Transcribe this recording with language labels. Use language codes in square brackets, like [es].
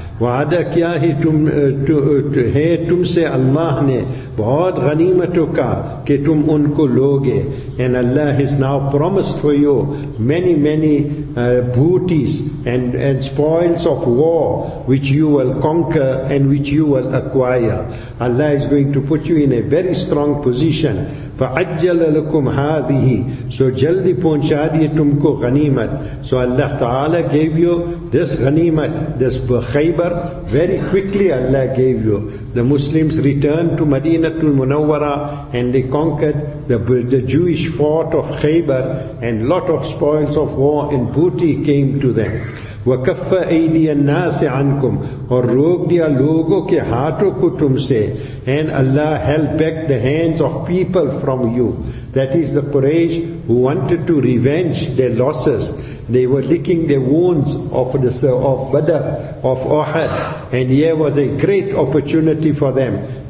[ur] وعدہ کیا ہے تم سے اللہ نے بہت غنیمتوں کا کہ تم ان کو لوگے. [en] And Allah has now promised for you many many booties and spoils of war which you will conquer and which you will acquire. Allah is going to put you in a very strong position. [ar] فَعَجَّلَ لَكُمْ هَذِهِ. [ur] So جلدی پہنچا دیئے تم کو غنیمت. [en] So Allah Ta'ala gave you this ghanimat, this Khaybar, very quickly Allah gave you. The Muslims returned to Madinatul Munawwara and they conquered the Jewish fort of Khaybar, and lot of spoils of war and booty came to them. [ar] وَكَفَّ أَيْدِيَ النَّاسِ عَنْكُمْ. [ur] اور روک دیا لوگوں کے ہاتھوں کو تم سے. [en] And Allah held back the hands of people from you. That is the Quraysh who wanted to revenge their losses. They were licking their wounds of Badr, of Uhud. And here was a great opportunity for them.